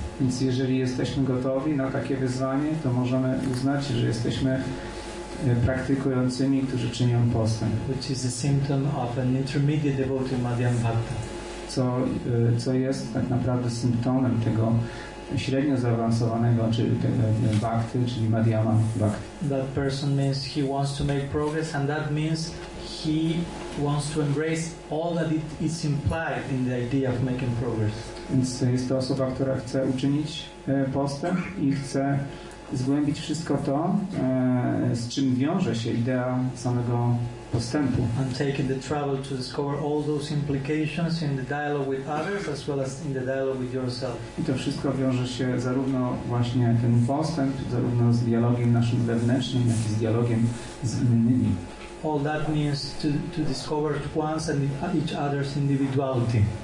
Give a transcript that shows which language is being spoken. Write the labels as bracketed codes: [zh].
[pl] Więc jeżeli jesteśmy gotowi na takie wyzwanie, to możemy uznać, że jesteśmy praktykującymi, którzy czynią postęp. [en] Which is a symptom of an intermediate devotee Madhyam Bhakta. [pl] Co jest tak naprawdę symptomem tego średnio zaawansowanego, czyli bhakti, czyli madhyama bhakti. [en] That person means he wants to make progress, and that means he wants to embrace all that it is implied in the idea of making progress. [pl] Więc jest to osoba, która chce uczynić postęp i chce zgłębić wszystko to, z czym wiąże się idea samego postępu. [en] I'm taking the trouble to discover all those implications in the dialogue with others as well as in the dialogue with yourself. [pl] I to wszystko wiąże się zarówno właśnie ten postęp, zarówno z dialogiem naszym wewnętrznym, jak i z dialogiem z innymi. [en] All that means to discover one's and each other's individuality.